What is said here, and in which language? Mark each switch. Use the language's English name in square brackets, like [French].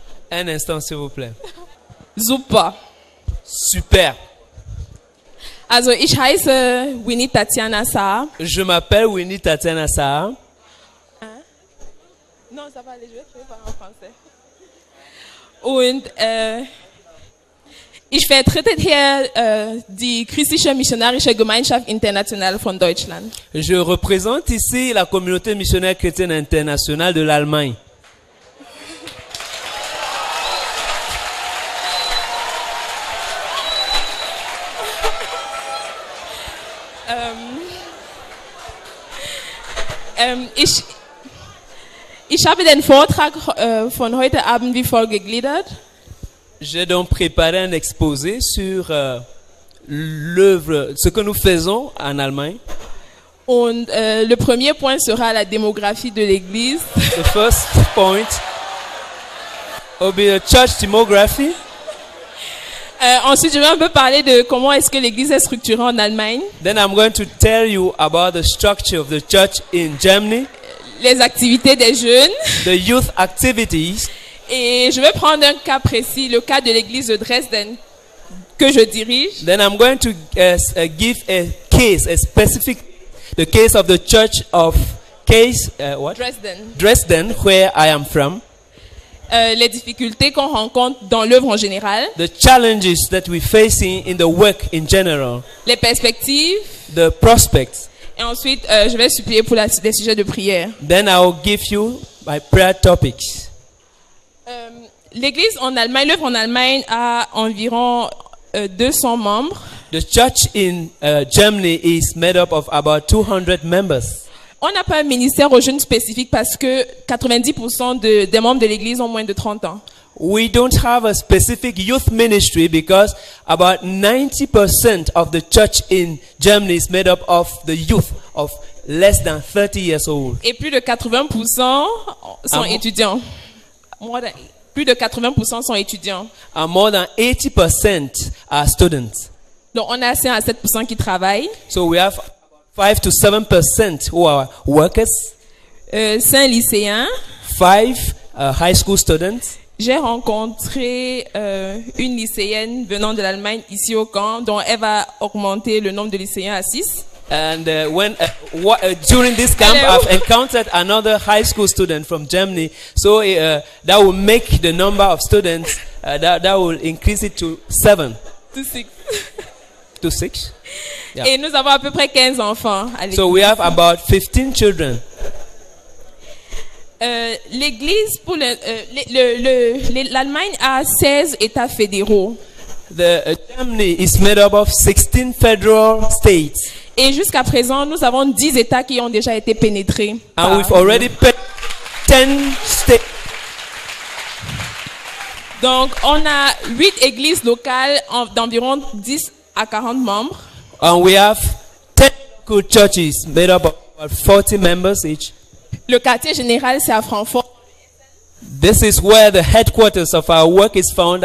[French] Un instant, s'il vous plaît. Super. Super. [German] Also, ich heiße Winnie Tatiana Saar. [French] Je m'appelle Winnie Tatiana Saar. Hein? Non, ça va aller, je vais trouver par en français. [German] Und ich vertrete hier die christliche missionarische Gemeinschaft internationale von Deutschland. [French] Je représente ici la communauté missionnaire chrétienne internationale de l'Allemagne. [German] Ich habe den Vortrag von heute Abend wie folgt gegliedert. [French] J'ai donc préparé un exposé sur l'œuvre, ce que nous faisons en Allemagne. [German] Und [French] le premier point sera la démographie de l'église. [English] The first point will be the church demography. [French] Ensuite, je vais un peu parler de comment est-ce que l'église est structurée en Allemagne. [English] Then I'm going to tell you about the structure of the church in Germany. [French] Les activités des jeunes. [English] The youth activities. [French] Et je vais prendre un cas précis, le cas de l'église de Dresden que je dirige. [English] Then I'm going to give a case, a specific, the case of the church of case what? Dresden. Dresden, where I am from. [French] Les difficultés qu'on rencontre dans l'œuvre en général. [English] The challenges that we face in the work in general. [French] Les perspectives. [English] The prospects. [French] Et ensuite, je vais supplier pour des sujets de prière. [English] Then I'll give you my prayer topics. [French] L'église en Allemagne, l'œuvre en Allemagne a environ 200 membres. [English] The church in Germany is made up of about 200 members. [French] On n'a pas un ministère aux jeunes spécifique parce que 90% des membres de l'église ont moins de 30 ans. [English] We don't have a specific youth ministry because about 90% of the church in Germany is made up of the youth of less than 30 years old. [French] Et plus de 80% sont étudiants. Plus de 80% sont étudiants. [English] And more than 80% are students. [French] Donc on a 5 à 7% qui travaillent. [English] So we have 5 to 7% who are workers. [French] 5 lycéens. [English] 5 high school students. [French] J'ai rencontré une lycéenne venant de l'Allemagne ici au camp, dont elle va augmenter le nombre de lycéens à 6. [English] And when during this camp, hello, I've encountered another high school student from Germany. So that will make the number of students that will increase it to 7. To 6. To 6. [French] Yeah. Et nous avons à peu près 15 enfants. [English] So we have about 15 children. [French] L'église pour l'Allemagne a 16 États fédéraux. [English] The Germany is made up of 16 federal states. [French] Et jusqu'à présent, nous avons 10 États qui ont déjà été pénétrés. [English] And we've already penetrated 10 states. [French] Donc, on a 8 églises locales d'environ 10 à 40 membres. [English] And we have 10 good churches made up of about 40 members each. [French] Le quartier général, c'est à Francfort. [English] This is where the headquarters of our work is found.